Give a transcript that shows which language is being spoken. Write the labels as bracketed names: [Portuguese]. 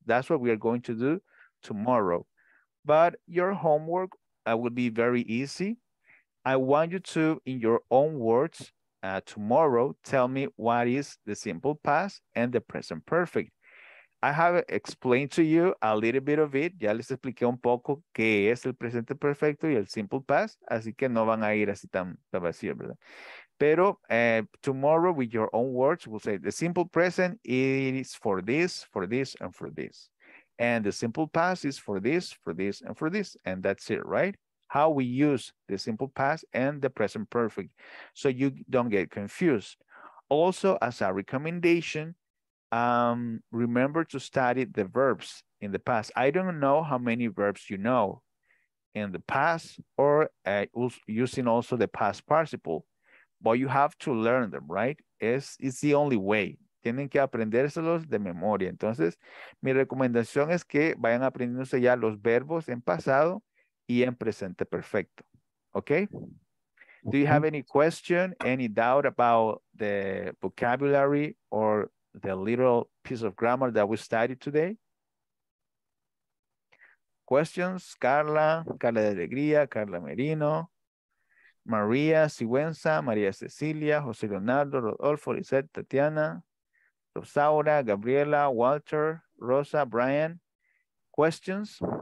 [English] That's what we are going to do tomorrow. But your homework will be very easy. I want you to, in your own words, tomorrow, tell me what is the simple past and the present perfect. I have explained to you a little bit of it. [Spanish] Ya les expliqué un poco qué es el presente perfecto y el simple past. Así que no van a ir así tan vacío, ¿verdad? [English] Pero tomorrow, with your own words, we'll say the simple present is for this, and for this. And the simple past is for this, and for this. And that's it, right? How we use the simple past and the present perfect, so you don't get confused. Also, as a recommendation, remember to study the verbs in the past. I don't know how many verbs you know in the past or using also the past participle, but you have to learn them, right? It's the only way. [Spanish] Tienen que aprendérselos de memoria. Entonces, mi recomendación es que vayan aprendiéndose ya los verbos en pasado y en presente perfecto. [English] Okay? Do you have any question, any doubt about the vocabulary or the little piece of grammar that we studied today? Questions? Carla de Alegría, Carla Merino, María Sigüenza, María Cecilia, José Leonardo, Rodolfo, Lizette, Tatiana, Rosaura, Gabriela, Walter, Rosa, Brian. Questions?